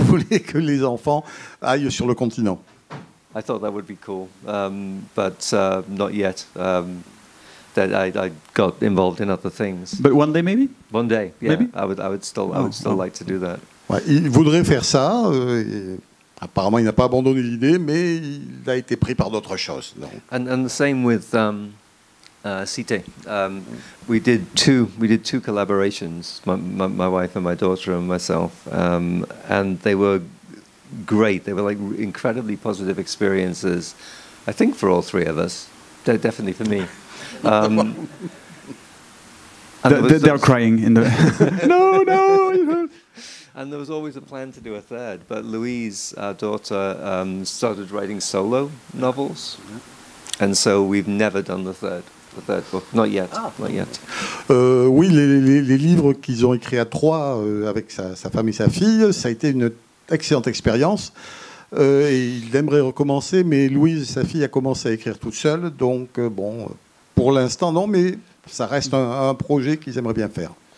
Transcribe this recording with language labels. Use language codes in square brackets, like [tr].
[fr] voulait que les enfants aillent sur le continent. [en] I thought that would be cool, but not yet. That I got involved in other things. But one day maybe. One day, yeah. Maybe. I would still like to do that. [fr] Ouais, il voudrait faire ça. Apparemment, il n'a pas abandonné l'idée, mais il a été pris par d'autres choses. [en] And the same with Cité. We did two collaborations, my wife and my daughter and myself, and they were great. They were like incredibly positive experiences. I think for all three of us, definitely for me. They're crying in the no. And there was always a plan to do a third, but Louise, our daughter, started writing solo novels, and so we've never done the third book, not yet. [fr] Oui, les livres qu'ils ont écrits à trois avec sa femme et sa fille, ça a été une excellente expérience. Ils aimeraient recommencer, mais Louise, sa fille, a commencé à écrire toute seule, donc bon, pour l'instant non, mais ça reste un projet qu'ils aimeraient bien faire.